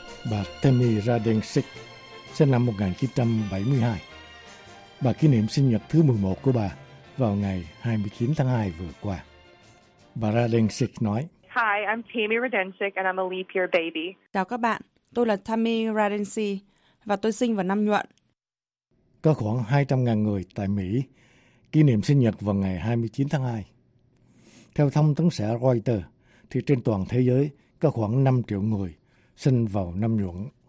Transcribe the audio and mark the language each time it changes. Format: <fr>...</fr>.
<vi>Bà Tammy Radensick sinh năm 1972. Bà kỷ niệm sinh nhật thứ 11 của bà vào ngày 29 tháng 2 vừa qua. Bà Radensick nói:</vi> <en>Hi, I'm Tammy Radensick and I'm a leap year baby.</en> <vi>Chào các bạn, tôi là Tammy Radensick và tôi sinh vào năm nhuận. Có khoảng 200.000 người tại Mỹ kỷ niệm sinh nhật vào ngày 29 tháng 2. Theo thông tấn xã Reuters, thì trên toàn thế giới có khoảng 5 triệu người sinh vào năm nhuận.</vi>